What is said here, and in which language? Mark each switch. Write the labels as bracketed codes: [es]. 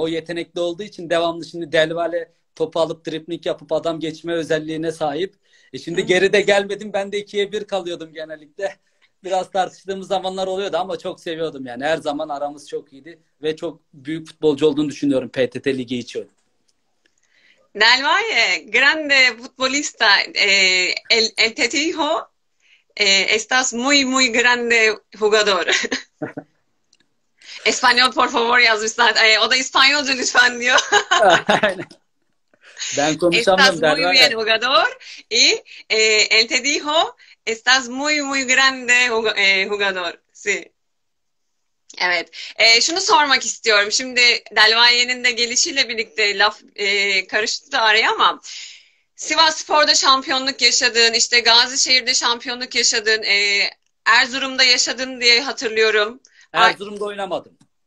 [tr] O yetenekli olduğu için devamlı şimdi Delvale topu alıp dripling yapıp adam geçme özelliğine sahip. Şimdi geride gelmedim. Ben de 2-1 kalıyordum genellikle. Biraz tartıştığımız zamanlar oluyordu ama çok seviyordum yani. Her zaman aramız çok iyiydi ve çok büyük futbolcu olduğunu düşünüyorum PTT Ligi için. [es] Delvaye, grande futbolista, el te dijo, estás muy muy grande jugador. Espanyol por favor [tr] yazmış zaten. O da İspanyolca lütfen diyor. Ben konuşamam derler. [es] Estás muy bien jugador y él te dijo estás muy muy grande jugador. Sí. [tr] Evet. Şunu sormak istiyorum. Şimdi Delvaye'nin de gelişiyle birlikte laf karıştı araya ama Sivasspor'da şampiyonluk yaşadın, işte Gazişehir'de şampiyonluk yaşadın, Erzurum'da yaşadın diye hatırlıyorum. Erzurum'da oynamadım.